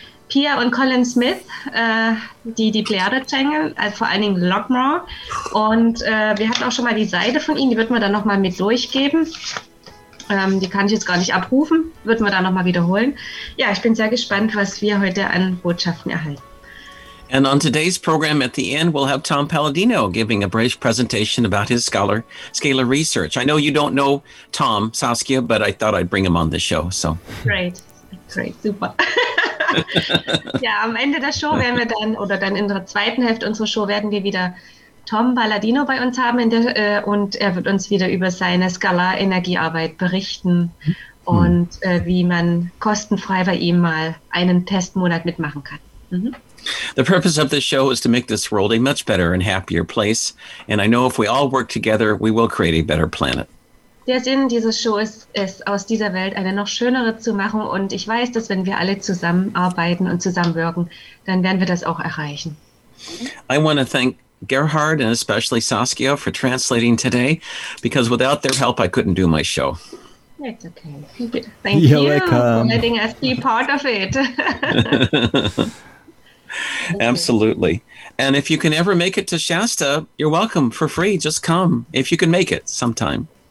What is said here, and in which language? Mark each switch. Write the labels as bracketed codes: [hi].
[de] Pia und Cullen Smith, die Pleiade-Channel, also vor allen Dingen Lochmar. Und wir hatten auch schon mal die Seite von ihnen, die wird man dann nochmal mit durchgeben. Die kann ich jetzt gar nicht abrufen, würden wir da nochmal wiederholen. Ja, ich bin sehr gespannt, was wir heute an Botschaften erhalten. [en] And on today's program at the end, we'll have Tom Palladino giving a brief presentation about his scalar research. I know you don't know Tom, Saskia, but I thought I'd bring him on the show. So. Great, super. [de] Ja, am Ende der Show werden wir dann, oder dann in der zweiten Hälfte unserer Show, werden wir wieder Tom Balladino bei uns haben und er wird uns wieder über seine Scalar-Energiearbeit berichten und wie man kostenfrei bei ihm mal einen Testmonat mitmachen kann. [en] The purpose of this show is to make this world a much better and happier place. And I know if we all work together, we will create a better planet. [de] Der Sinn dieser Show ist es, aus dieser Welt eine noch schönere zu machen. Und ich weiß, dass wenn wir alle zusammenarbeiten und zusammenwirken, dann werden wir das auch erreichen. [en] I want to thank Gerhard and especially Saskia for translating today, because without their help, I couldn't do my show. It's okay. Thank you for letting us be part of it. Absolutely. And if you can ever make it to Shasta, you're welcome for free. Just come if you can make it sometime.